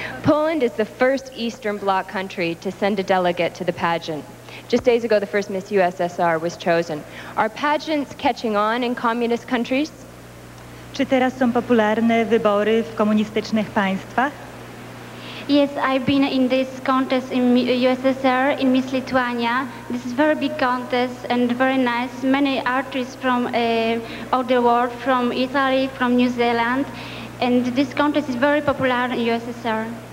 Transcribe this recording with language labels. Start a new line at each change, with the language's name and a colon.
English: Poland is the first Eastern Bloc country to send a delegate to the pageant. Just days ago, the first Miss USSR was chosen. Are pageants catching on in communist countries?
Polish: Czy teraz są popularne wybory w komunistycznych państwach?
English: Yes, I've been in this contest in USSR, in Miss Lithuania. This is a very big contest and very nice. Many artists from all the world, from Italy, from New Zealand. And this contest is very popular in USSR.